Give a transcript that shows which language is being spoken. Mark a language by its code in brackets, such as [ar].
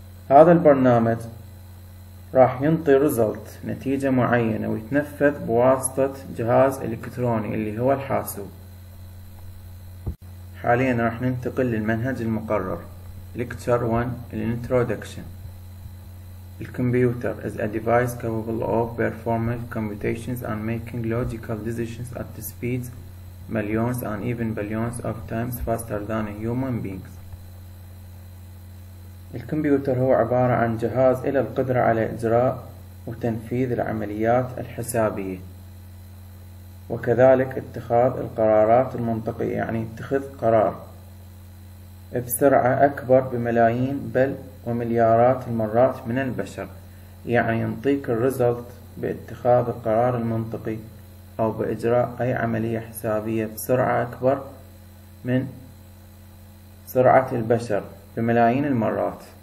[ar] هذا البرنامج راح ينطي ريزلت، نتيجة معينة، ويتنفذ بواسطة جهاز إلكتروني اللي هو الحاسوب. حاليا راح ننتقل للمنهج المقرر [en] Lecture 1 Introduction. الكمبيوتر is a device capable of performing computations and making logical decisions at speeds millions and even billions of times faster than human beings. [ar] الكمبيوتر هو عبارة عن جهاز إلى القدرة على إجراء وتنفيذ العمليات الحسابية وكذلك اتخاذ القرارات المنطقية، يعني اتخذ قرار بسرعة أكبر بملايين بل ومليارات المرات من البشر، يعني ينطيك الريزلت باتخاذ القرار المنطقي أو بإجراء أي عملية حسابية بسرعة أكبر من سرعة البشر بملايين المرات.